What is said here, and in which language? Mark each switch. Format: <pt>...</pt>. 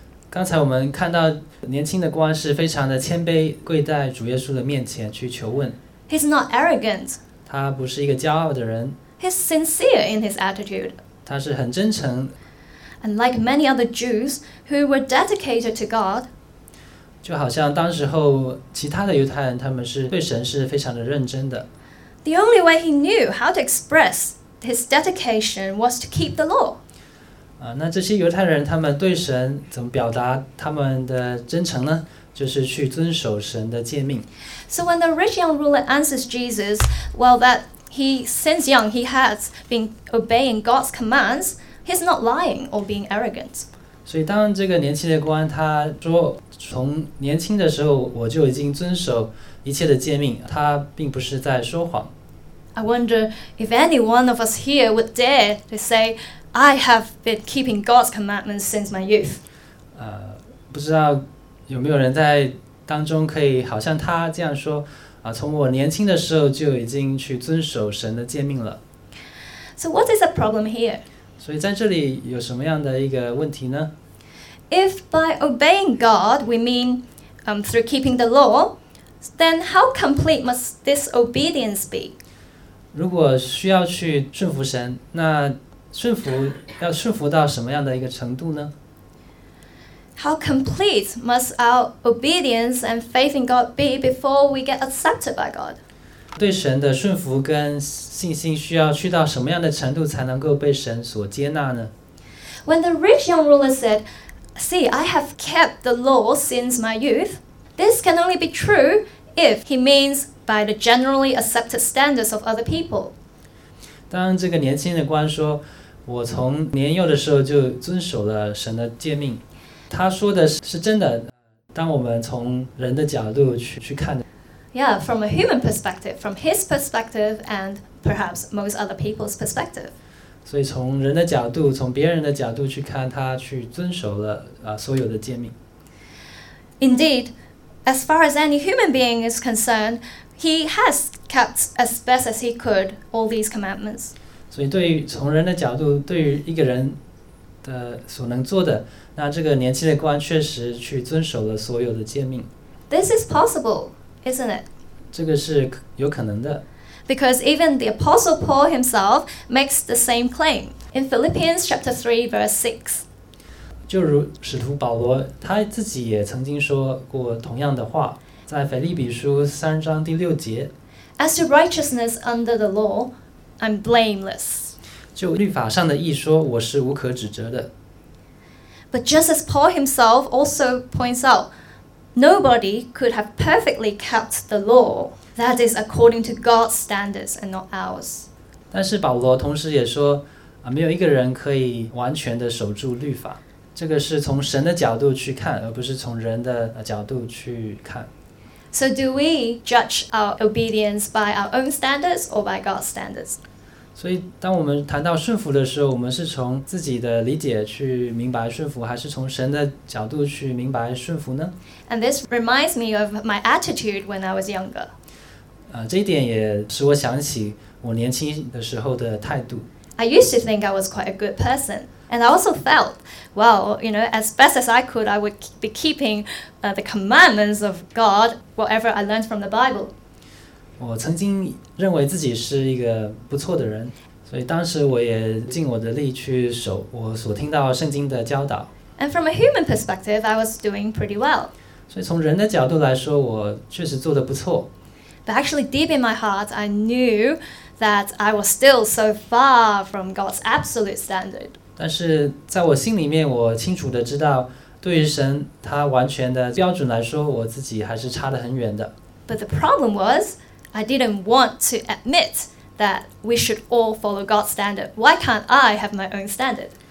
<zh>刚才我们看到年轻的官是非常的谦卑，跪在主耶稣的面前去求问。</zh> <en>He's not arrogant.</en> <zh>他不是一个骄傲的人。</zh> <en>He's sincere in his attitude.</en> <zh>他是很真诚。</zh> <en>And like many other Jews who were dedicated to God,</en> <zh>就好像当时候其他的犹太人他们是对神是非常的认真的。</zh> <en>The only way he knew how to express his dedication was to keep the law.</en> <zh>那这些犹太人他们对神怎么表达他们的真诚呢？就是去遵守神的诫命。</zh> <en>So when the rich young ruler answers Jesus, well, that he, since young, he has been obeying God's commands, he's not lying or being arrogant.</en> <zh>所以当这个年轻的官他说从年轻的时候我就已经遵守一切的诫命，他并不是在说谎。</zh> <en>I wonder if any one of us here would dare to say, I have been keeping God's commandments since my youth.</en> <zh>不知道有没有人在当中可以好像他这样说，从我年轻的时候就已经去遵守神的诫命了。</zh> <en>So what is the problem here?</en> <zh>所以在这里有什么样的一个问题呢？</zh> <en>If by obeying God we mean through keeping the law, then how complete must this obedience be?</en> <zh>如果需要去顺服神，那顺服要顺服到什么样的一个程度呢？</zh> <en>How complete must our obedience and faith in God be before we get accepted by God?</en> <zh>对神的顺服跟信心需要去到什么样的程度才能够被神所接纳呢？</zh> <en>When the rich young ruler said, See, I have kept the law since my youth, this can only be true if he means by the generally accepted standards of other people.</en> <zh>当这个年轻的官说，我从年幼的时候就遵守了神的诫命，他说的是真的，当我们从人的角度 去看的。</zh> <en>Yeah, from a human perspective, from his perspective, and perhaps most other people's perspective.</en> <zh>所以从人的角度，从别人的角度去看，他去遵守了所有的诫命。</zh> <en>Indeed, as far as any human being is concerned, he has kept as best as he could all these commandments.</en> <zh>所以对于从人的角度，对于一个人的所能做的，那这个年轻的官确实去遵守了所有的诫命。</zh> <en>This is possible, isn't it?</en> <zh>这个是有可能的。</zh> <en>Because even the Apostle Paul himself makes the same claim in Philippians chapter 3, verse 6.</en> <zh>就如使徒保罗他自己也曾经说过同样的话，在腓立比书三章第六节。</zh> <en>As to righteousness under the law, I'm blameless.</en> <zh>就律法上的义说，我是无可指责的。</zh> <en>But just as Paul himself also points out, nobody could have perfectly kept the law that is according to God's standards and not ours.</en> <zh>但是保罗同时也说，没有一个人可以完全的守住律法。这个是从神的角度去看，而不是从人的角度去看。</zh> <en>So do we judge our obedience by our own standards or by God's standards?</en> <zh>所以当我们谈到顺服的时候，我们是从自己的理解去明白顺服，还是从神的角度去明白顺服呢？</zh> <en>And this reminds me of my attitude when I was younger.</en> <zh>这一点也使我想起我年轻的时候的态度。</zh> <en>I used to think I was quite a good person. And I also felt, well, you know, as best as I could, I would be keeping the commandments of God, whatever I learned from the Bible.</en> <zh>我曾经认为自己是一个不错的人，所以当时我也尽我的力去守我所听到圣经的教导。</zh> <en>And from a human perspective, I was doing pretty well.</en> <zh>所以从人的角度来说，我确实做得不错。</zh> <en>But actually, deep in my heart, I knew that I was still so far from God's absolute standard.</en> <zh>但是在我心里面，我清楚地知道，对于神他完全的标准来说，我自己还是差得很远的。</zh> <en>But the problem was, I didn't want to admit that we should all follow God's standard. Why can't I have my own standard?</en>